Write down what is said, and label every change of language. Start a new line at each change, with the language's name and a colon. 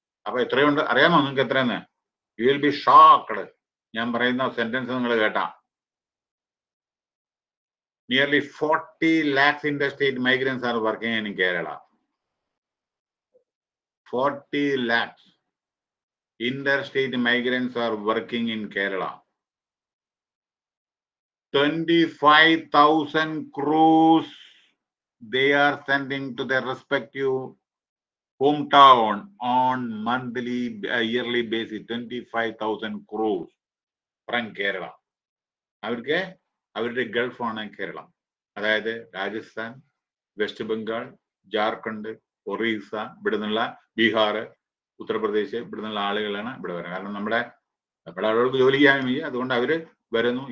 Malayalam: അപ്പൊ എത്രയും ഉണ്ട് അറിയാമോ നിങ്ങൾക്ക് എത്രയെന്ന്?
English: you will be shocked,
Malayalam: ഞാൻ പറയുന്ന സെന്റൻസ് നിങ്ങൾ കേട്ടാ.
English: Nearly 40 lakhs interstate migrants ആണ് working in Kerala. 40 lakhs interstate migrants are working in Kerala. 25,000 crores they are sending to their respective hometown on monthly, yearly basis. 25,000 crores from Kerala.
Malayalam: അവർക്ക് അവരുടെ ഗൾഫാണ് കേരളം, അതായത് Rajasthan, west Bengal, Jharkhand, Orissa, ഇവിടെ നിന്നുള്ള ബീഹാർ, ഉത്തർപ്രദേശ്, ഇവിടെ നിന്നുള്ള ആളുകളാണ് ഇവിടെ വരുന്നത്. കാരണം നമ്മുടെ ഇവിടെ ആളുകൾക്ക് ജോലി ചെയ്യാൻ വയ്യ, അതുകൊണ്ട് അവർ വരുന്നു.